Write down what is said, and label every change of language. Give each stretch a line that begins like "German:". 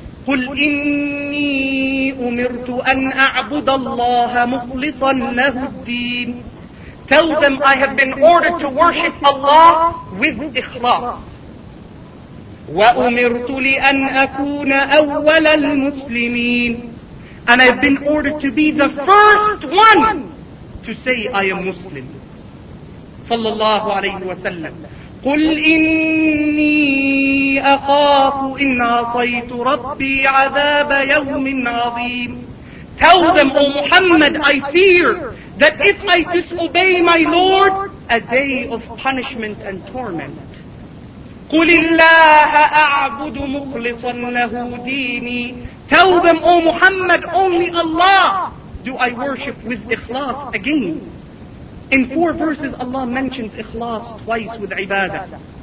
Arabic: قل إني أمرت أن أعبد الله مخلصا له الدين.
English: Tell them I have been ordered to worship Allah with ikhlas.
Arabic: وأمرت لأن أكون أول المسلمين.
English: And I've been ordered to be the first one to say I am Muslim.
Arabic: صلى الله عليه وسلم. قل إني أخاف إن عصيت ربي عذاب يوم عظيم.
English: Tell them, O Muhammad, I fear that if I disobey my Lord, a day of punishment and torment.
Arabic: قل الله أعبد مخلصا له ديني.
English: Tell them, O Muhammad, only Allah do I worship with ikhlas again. In four verses, Allah mentions ikhlas twice with ibadah.